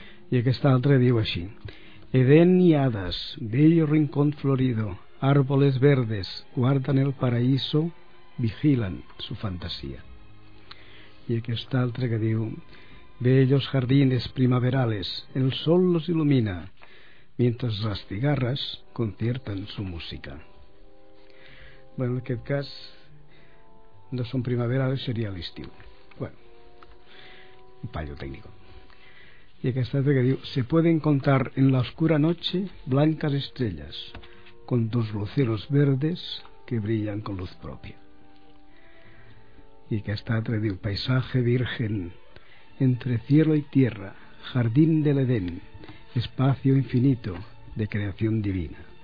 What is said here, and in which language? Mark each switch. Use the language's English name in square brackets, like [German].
[Catalan] I aquesta altra diu així: [Spanish] Edén y hadas, bello rincón florido, árboles verdes guardan el paraíso, vigilan su fantasía. [Catalan] I aquesta altra que diu: [Spanish] Bellos jardines primaverales, el sol los ilumina, mientras las cigarras conciertan su música. [Catalan] Bueno, en aquest cas no són primaverales, seria l'estiu. Bueno, un fallo tècnico. [Spanish] Y aquí está otro que dice: Se pueden contar en la oscura noche blancas estrellas con dos luceros verdes que brillan con luz propia. Y aquí está otro que dice: Paisaje virgen entre cielo y tierra, jardín del Edén, espacio infinito de creación divina.